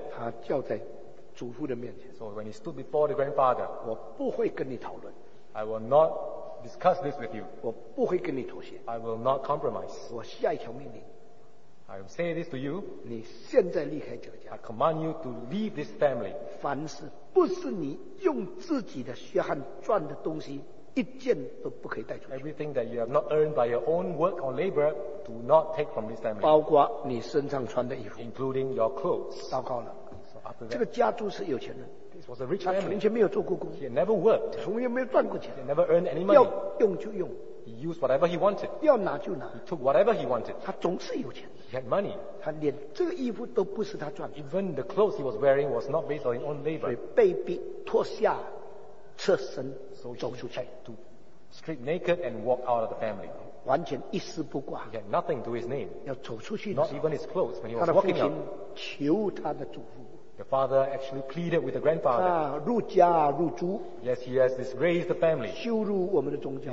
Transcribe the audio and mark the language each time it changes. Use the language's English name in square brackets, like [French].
[Chinese] 他叫在祖父的面前。 [English] So when he stood before the grandfather, [Chinese] 我不会跟你讨论。 [English] I will not discuss this with you. [Chinese] 我不会跟你妥协。 [English] I will not compromise. [Chinese] 我下一条命令。 [English] I will say this to you. [Chinese] 你现在离开这个家。 [English] I command you to leave this family. [Chinese] 凡是不是你用自己的血汗赚的东西，一件都不可以带出去。 [English] Everything that you have not earned by your own work or labor, do not take from this family. [Chinese] 包括你身上穿的衣服。 [English] Including your clothes. [Chinese] 糟糕了。 [English] So after that, [Chinese] 这个家族是有钱人。 [English] This was a rich family. [Chinese] 他从前没有做过工。 [English] He had never worked. [Chinese] 从来没有赚过钱。 [English] He never earned any money. [Chinese] 要用就用。 [English] He used whatever he wanted. [Chinese] 要拿就拿。 [English] He took whatever he wanted. [Chinese] 他总是有钱。 [English] He had money. [Chinese] 他连这个衣服都不是他赚的。 [English] Even the clothes he was wearing was not based on his own labor. [Chinese] 所以被逼脱下赤身走出去。 [English] To strip naked and walk out of the family. [Chinese] 完全一丝不挂。 [English] He had nothing to his name. [Chinese] 要走出去。 [English] Not even his clothes when he was walking out. [Chinese] 求他的祖父。 [English] The father actually pleaded with the grandfather. [Chinese] 入家入族。 [English] Yes, he has disgraced the family. [Chinese] 羞辱我们的宗教。